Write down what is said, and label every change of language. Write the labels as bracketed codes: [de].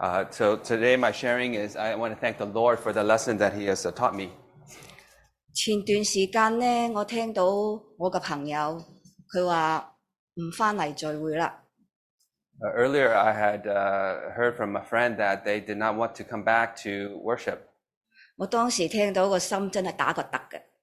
[en] So today my sharing is I want to thank the Lord for the lesson that He has taught me。 [yue] 前段时间咧，我听到我嘅朋友佢话唔翻嚟聚会啦。 [en] Earlier, I had heard from a friend that they did not want to come back to worship. [yue] 我当时听到个心真系打个突嘅。